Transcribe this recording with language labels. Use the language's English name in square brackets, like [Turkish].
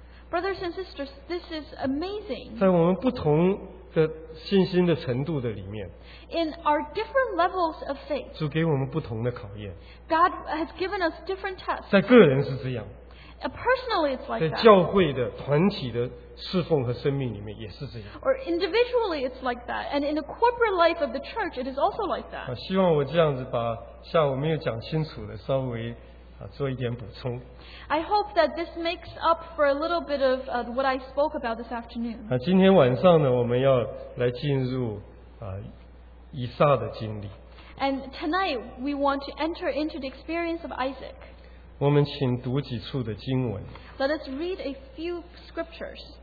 [English] Brothers and sisters, this is amazing. [Chinese] 在我们不同的信心的程度的里面, [English] in our different levels of faith, [Chinese] 主给我们不同的考验, [English] God has given us different tests. [Chinese] 在个人是这样, [English] personally, it's like that. [Chinese] 在教会的团体的侍奉和生命里面也是这样, [English] or individually, it's like that. And in the corporate life of the church, it is also like that. [Chinese] 希望我这样子把下午没有讲清楚的稍微 做一点补充, [English] I hope that this makes up for a little bit of what I spoke about this afternoon. [Chinese] 今天晚上呢, 我们要来进入, 以撒的经历, [English] and tonight, we want to enter into the experience of Isaac. [Chinese] 我们请读几处的经文, [English] let us read a few scriptures.